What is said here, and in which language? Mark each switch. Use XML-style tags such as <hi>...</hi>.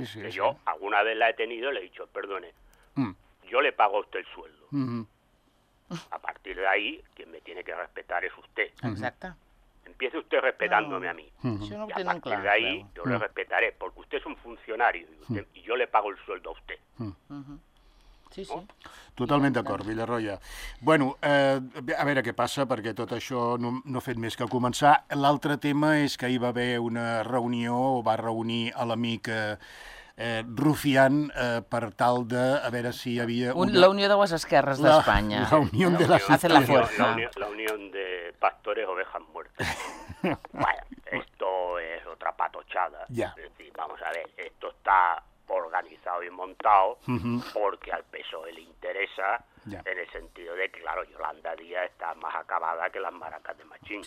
<es>Yo alguna vez la he tenido y le he dicho, perdone, yo le pago a usted el sueldo. A partir de ahí, quien me tiene que respetar es usted. Exacto. Empiece usted respetándome a mí. Yo no y a partir claro, de ahí, yo le respetaré, porque usted es un funcionario y yo le pago el sueldo a usted.</es> <ca>Totalment d'acord, Villarroya. Bueno, a veure què passa, perquè tot això no ha fet més que començar. L'altre tema és que hi va haver una reunió, o va reunir a l'amic Rufián per tal de, a veure si hi havia... La Unió de les Esquerres d'Espanya. La Unió de les Esquerres. La Unió</ca> <es>de Pastores Ovejas Muertas. Bueno, esto es otra patochada. Ya. Es decir, vamos a ver, esto está... organizado y montado porque al PSOE le interesa en el sentido de que, claro, Yolanda Díaz está más acabada que las maracas de Machín.</es>